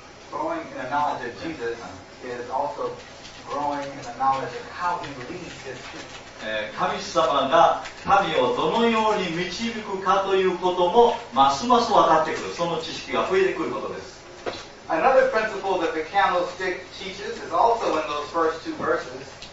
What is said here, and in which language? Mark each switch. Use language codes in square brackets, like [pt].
[en] Growing in a knowledge of Jesus is also growing in the knowledge of how he leads his people. [ja] 神様が民をどのように導くかということもますます分かってくる。その知識が増えてくることです。 [en] Another principle that the candlestick teaches is also in those first two verses.